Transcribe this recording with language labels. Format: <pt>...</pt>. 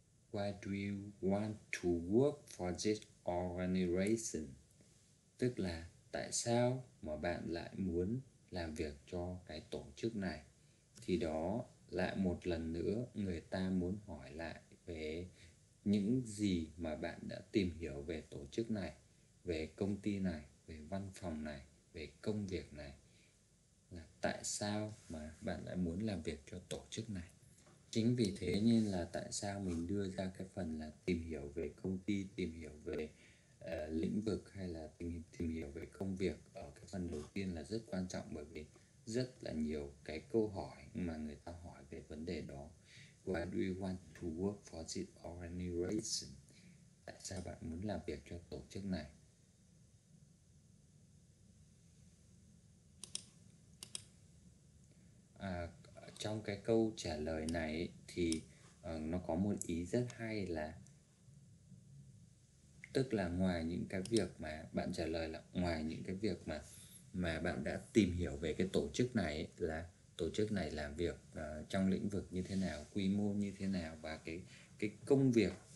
<en>Why do you want to work for this organization?</en> <vi>Tức là tại sao mà bạn lại muốn làm việc cho cái tổ chức này? Thì đó, lại một lần nữa người ta muốn hỏi lại về những gì mà bạn đã tìm hiểu về tổ chức này, về công ty này, về văn phòng này, về công việc này. Là tại sao mà bạn lại muốn làm việc cho tổ chức này? Chính vì thế nên là tại sao mình đưa ra cái phần là tìm hiểu về công ty, tìm hiểu về lĩnh vực, hay là tìm hiểu về công việc ở cái phần đầu tiên là rất quan trọng. Bởi vì rất là nhiều cái câu hỏi mà người ta hỏi về vấn đề đó.</vi> <en>Why do you want to work for this organization?</en> <vi>Tại sao bạn muốn làm việc cho tổ chức này? Trong cái câu trả lời này thì nó có một ý rất hay, là tức là ngoài những cái việc mà bạn trả lời là ngoài những cái việc mà bạn đã tìm hiểu về cái tổ chức này, là tổ chức này làm việc trong lĩnh vực như thế nào, quy mô như thế nào, và cái công việc</vi>